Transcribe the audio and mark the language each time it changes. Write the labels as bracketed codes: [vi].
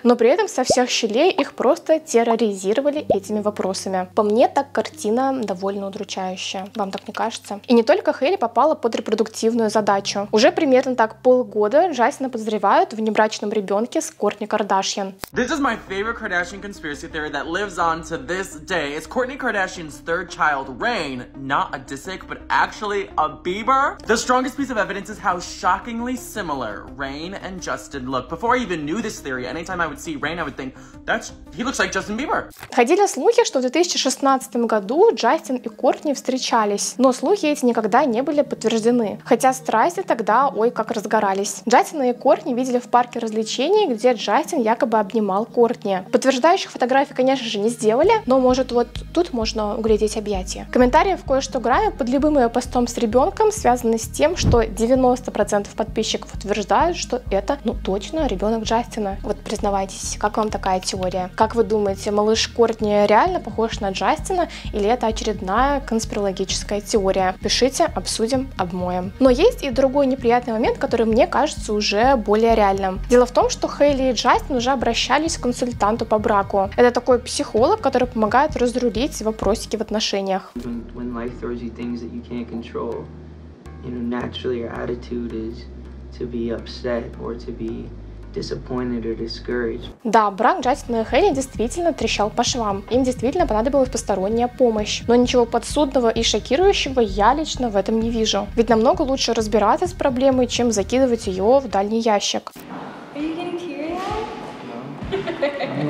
[ru] Но при этом со всех щелей их просто терроризировали этими вопросами. По мне, так картина довольно удручающая. Вам так не кажется? И не только Хейли попала под репродуктивную задачу. Уже примерно так 1.5 года Джастина подозревают в небрачном ребенке с Кортни Кардашьян. [en] This is my favorite Kardashian conspiracy theory that lives on to this day. It's Kourtney Kardashian's third child, Rain, not a Disick, but actually a Bieber. The strongest piece of evidence is how shockingly similar Rain and Justin look. Before I even knew this theory, anytime I would see Rain, I would think, that's he looks like Justin Bieber. [ru] Ходили слухи, что в 2016 году Джастин и Кортни встречались, но слухи эти никогда не были подтверждены. Хотя страсти тогда ой как разгорались. Джастина и Кортни видели в парке развлечений, где Джастин якобы обнимал Кортни. Подтверждающих фотографий, конечно же, не сделали, но, может, вот тут можно углядеть объятия. Комментарии в кое-что граме под любым ее постом с ребенком связаны с тем, что 90% подписчиков утверждают, что это, ну, точно ребенок Джастина. Вот признавайтесь, как вам такая теория? Как вы думаете, малыш Кортни реально похож на Джастина или это очередная конспирологическая теория? Пишите, обсудим, обмоем. Но есть и другой неприятный момент, который мне кажется уже более реальным. Дело в том, что Хейли и Джастин уже обращались к консультанту по браку. Это такой психолог, который помогает разрулить вопросики в отношениях. [en] When life throws you things that you can't control, you know, naturally your attitude is to be upset or to be disappointed or discouraged. [ru] Да, брак Джастина и Хейли действительно трещал по швам. Им действительно понадобилась посторонняя помощь. Но ничего подсудного и шокирующего я лично в этом не вижу. Ведь намного лучше разбираться с проблемой, чем закидывать ее в дальний ящик. [en] Are you getting teary-eyed?